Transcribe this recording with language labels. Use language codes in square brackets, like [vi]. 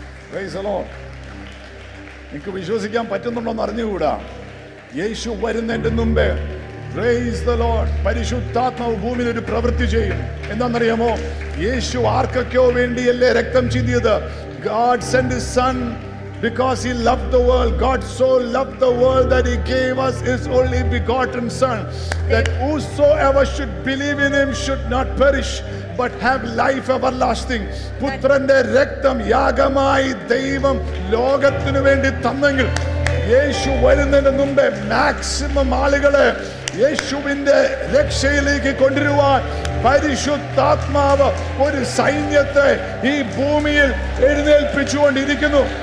[en] Praise the Lord. [ml] നിങ്ങൾക്ക് വിശ്വസിക്കാൻ പറ്റുന്നുണ്ടോന്ന് അറിഞ്ഞുകൂടാ. യേശു വരുന്നതിന് മുമ്പേ [en] praise the Lord [ml] പരിശുദ്ധാത്മാവ് ഭൂമിയിൽ ഒരു പ്രവൃത്തി ചെയ്യും. എന്താണെന്നറിയാമോ? യേശു ആർക്കൊക്കെയോ വേണ്ടിയല്ലേ രക്തം ചിന്തിയത്? [en] God sent his son because he loved the world. God so loved the world that he gave us his only begotten son, that whosoever should believe in him should not perish but have life everlasting. [ml] Putrande raktam yagamai devam logathinu vendi thannengil yeshu varunnathinu munbe maximum aalukale യേശുവിന്റെ രക്ഷയിലേക്ക് കൊണ്ടുവരുവാൻ പരിശുദ്ധാത്മാവ് ഒരു സൈന്യത്തെ ഈ ഭൂമിയിൽ എഴുന്നേൽപ്പിച്ചുകൊണ്ടിരിക്കുന്നു.